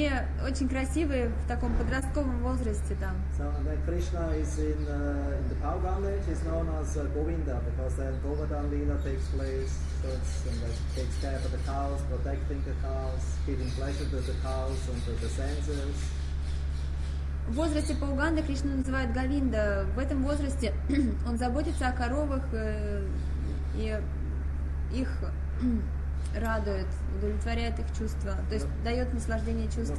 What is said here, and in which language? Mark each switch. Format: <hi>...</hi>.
<ru>Они очень красивые в таком подростковом возрасте там.</ru> <en>So then Krishna is in the Pauganda age, he's known as Govinda, because then Govardhan Lila takes place, so takes care of the cows, protecting the cows, giving pleasure to the cows and to the senses.</en> <ru>В возрасте Пауганда Кришна называют Говинда. В этом возрасте он заботится о коровах и их радует, удовлетворяет их чувства, то есть</ru> <en>but,</en> <ru>дает наслаждение чувствам.</ru>